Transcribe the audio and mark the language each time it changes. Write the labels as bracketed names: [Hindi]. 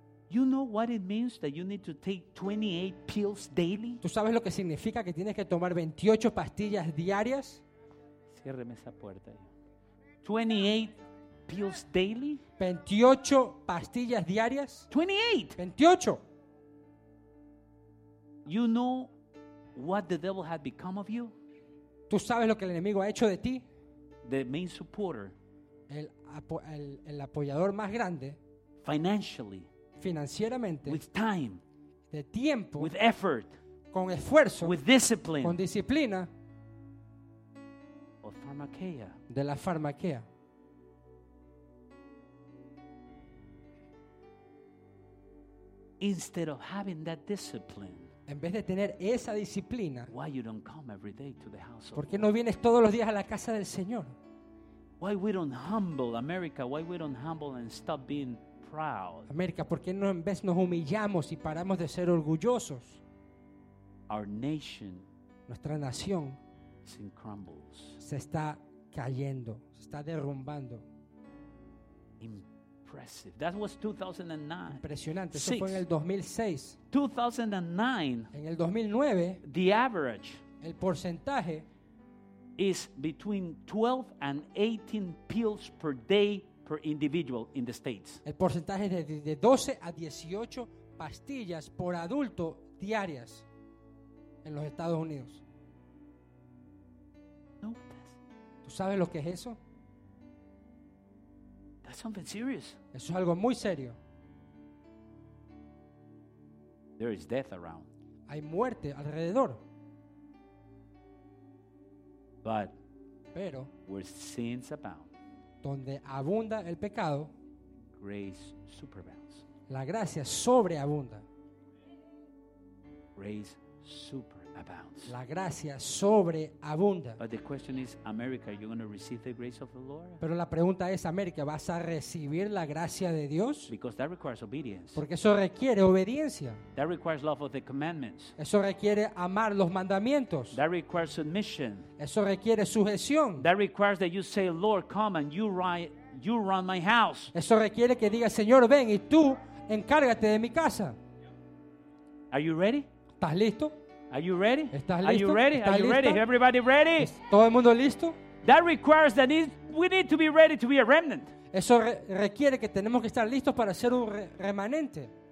[English] You know what it means that you need to take 28 pills daily? [Spanish] ¿Tú sabes lo que significa que tienes que tomar 28 pastillas diarias? Ciérreme esa puerta. [English] 28 pills daily? [Spanish] 28 pastillas diarias. 28. 28. [English] You know what the devil had become of you? [Spanish] ¿Tú sabes lo que el enemigo ha hecho de ti? [English] The main supporter. [Spanish] El apoyador más grande. [English] Financially. [Spanish] Financieramente. [English] With time. [Spanish] De tiempo. [English] With effort. [Spanish] Con esfuerzo. [English] With discipline. [Spanish] Con disciplina. [English] Of pharmakeia. [Spanish] De la farmacia. [English] Instead of having that discipline, [Spanish] en vez de tener esa disciplina, [English] why you don't come every day to the house of [Spanish] ¿por qué no vienes todos los días a la casa del Señor? [English] Why we don't humble America? Why we don't humble and stop being proud? [Spanish] América, ¿por qué no en vez nos humillamos y paramos de ser orgullosos? [English] Our nation, [Spanish] nuestra nación, [English] is in crumbles. [Spanish] Se está cayendo, se está derrumbando. [English] Impressive. That was 2009. [Spanish] Impresionante. Eso fue en el 2006. [English] 2009. [Spanish] En el 2009. [English] The average. [Spanish] El porcentaje [English] is between 12 and 18 pills per day per individual in the states. [Spanish] El porcentaje es de 12 a 18 pastillas por adulto diarias en los Estados Unidos. No. ¿Tú sabes lo que es eso? [English] Something serious. [Spanish] Eso es algo muy serio. [English] There is death around. [Spanish] Hay muerte alrededor. [English] But [Spanish] pero [English] where sins abound, [Spanish] donde abunda el pecado, [English] grace superabounds. [Spanish] La gracia sobreabunda. [English] Grace super abounds. [Spanish] La gracia sobreabunda. [English] But the question is, America, are you going to receive the grace of the Lord? [Spanish] Pero la pregunta es, América, ¿vas a recibir la gracia de Dios? [English] Because that requires obedience. [Spanish] Porque eso requiere obediencia. [English] That requires love of the commandments. [Spanish] Eso requiere amar los mandamientos. [English] That requires submission. [Spanish] Eso requiere sujeción. [English] That requires that you say, Lord, come and you run my house. [Spanish] Eso requiere que diga, Señor, ven y tú encárgate de mi casa. [English] Are you ready? [Spanish] ¿Estás listo? [English] Are you ready? [Spanish] ¿Estás listo? [English] Are you ready? Are you ready? Everybody ready? [Spanish] ¿Todo el mundo listo? [English] That requires that we need to be ready to be a remnant. [Spanish] Eso requiere que tenemos que estar listos para ser un remanente.